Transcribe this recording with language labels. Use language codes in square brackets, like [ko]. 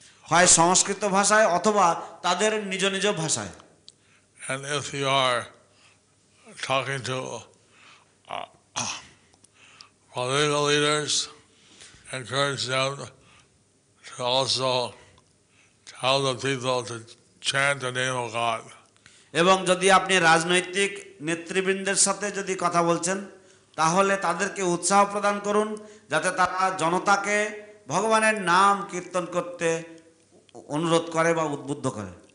[bn] হয় সংস্কৃত ভাষায় অথবা তাদের নিজ নিজ ভাষায়। [en] And if you are talking to political leaders, encourage them to also tell the people to chant the name of God. [bn] এবং যদি আপনি রাজনৈতিক নেতৃবৃন্দের সাথে যদি কথা বলছেন, তাহলে তাদেরকে উৎসাহ প্রদান করুন যাতে তারা জনতাকে ভগবানের নাম কীর্তন করতে অনুরোধ করে বা উদ্বুদ্ধ করে।